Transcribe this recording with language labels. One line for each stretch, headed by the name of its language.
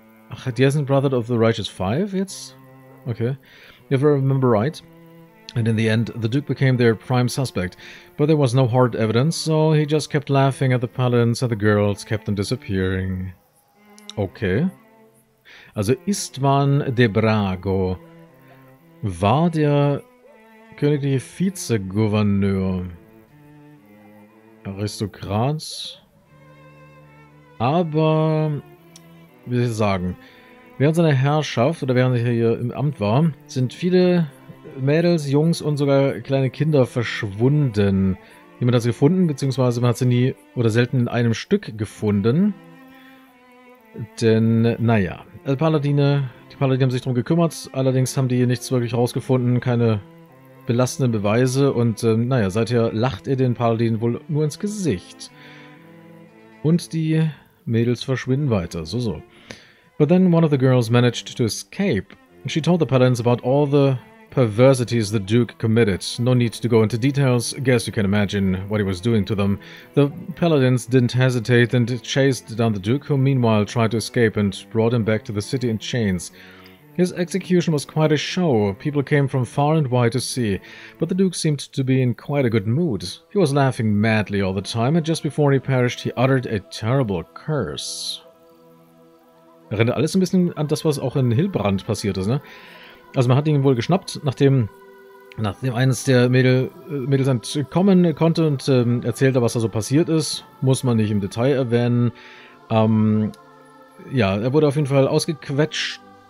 German: Ach, die sind Brotherhood of the Righteous Five jetzt? Okay.
English: If I remember right. And in the end, the Duke became their prime suspect. But there was no hard evidence, so he just kept laughing at the paladins and the girls, kept them disappearing. Okay.
German: Also Istvan de Brago war der königliche Vizegouverneur. Aristokrat. Aber, wie soll ich sagen, während seiner Herrschaft oder während er hier im Amt war, sind viele Mädels, Jungs und sogar kleine Kinder verschwunden. Jemand hat sie gefunden, beziehungsweise man hat sie nie oder selten in einem Stück gefunden. Denn, naja, die Paladine haben sich darum gekümmert, allerdings haben die nichts wirklich rausgefunden, keine belastenden Beweise und naja, seither lacht er den Paladin wohl nur ins Gesicht. Und die Mädels verschwinden weiter, so.
English: But then one of the girls managed to escape. She told the Paladins about all the perversities the Duke committed. No need to go into details. Guess you can imagine what he was doing to them. The Paladins didn't hesitate and chased down the Duke, who meanwhile tried to escape and brought him back to the city in chains. His execution was quite a show. People came from far and wide to see, but the Duke seemed to be in quite a good mood. He was laughing madly all the time, and just before he perished, he uttered a terrible curse.
German: Erinnert alles ein bisschen an das, was auch in Hillbrand passiert ist, ne? Also man hat ihn wohl geschnappt, nachdem eines der Mädels entkommen konnte und erzählte, was da so passiert ist. Muss man nicht im Detail erwähnen. Ja, er wurde auf jeden Fall ausgequetscht.